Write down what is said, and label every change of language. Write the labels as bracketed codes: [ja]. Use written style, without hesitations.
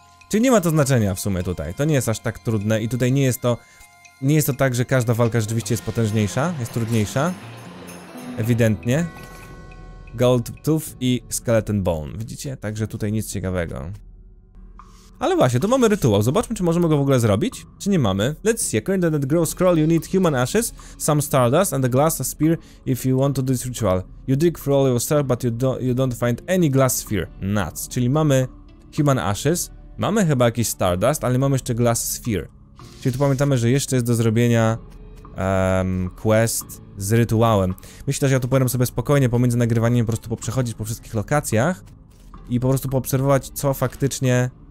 [pl] Czyli nie ma to znaczenia w sumie tutaj. To nie jest aż tak trudne i tutaj nie jest to tak, że każda walka rzeczywiście jest potężniejsza, jest trudniejsza. Ewidentnie. Gold tooth i skeleton bone. Widzicie? Także tutaj nic ciekawego. Ale właśnie, tu mamy rytuał. Zobaczmy, czy możemy go w ogóle zrobić, czy nie mamy. [en] Let's see, according to that grow scroll, you need human ashes, some stardust and a glass sphere if you want to do this ritual. You dig through all your stuff, but you don't find any glass sphere. Nuts. [pl] Czyli mamy human ashes, mamy chyba jakiś stardust, ale mamy jeszcze glass sphere. Czyli tu pamiętamy, że jeszcze jest do zrobienia quest z rytuałem. Myślę, że ja tu powiem sobie spokojnie pomiędzy nagrywaniem po prostu poprzechodzić po wszystkich lokacjach i po prostu poobserwować, co faktycznie...